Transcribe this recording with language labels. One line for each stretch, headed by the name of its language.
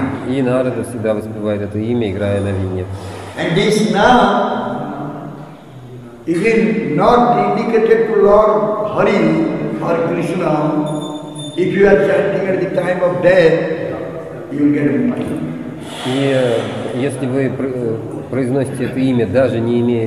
Russian: И Нарада всегда воспевает это имя, играя на вине.
English: And this now even not dedicated to Lord Hari or Krishna, if you are chanting at the time of death, you will get money.
Russian: И если вы произносите это имя, даже не имея